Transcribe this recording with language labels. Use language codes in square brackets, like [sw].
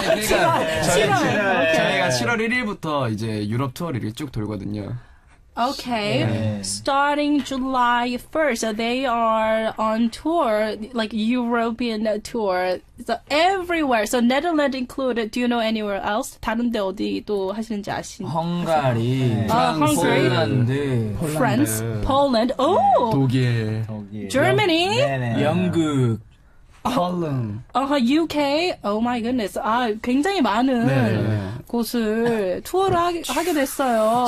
[ko] 저희가 7월 1일부터 이제 유럽 투어를 쭉 돌거든요. [en] Okay, yeah. Starting July 1st, they are on tour, like European tour, so everywhere, so Netherlands included, do you know anywhere else? [ko] 다른 데 어디 또 하시는지 아시나요? 헝가리, [en] 폴란드, France, Poland, oh! [ko] 독일, [en] Germany, [ko] 영국, [en] UK. Oh my goodness. [ko] 아, 굉장히 많은 곳을 투어를 하게 됐어요.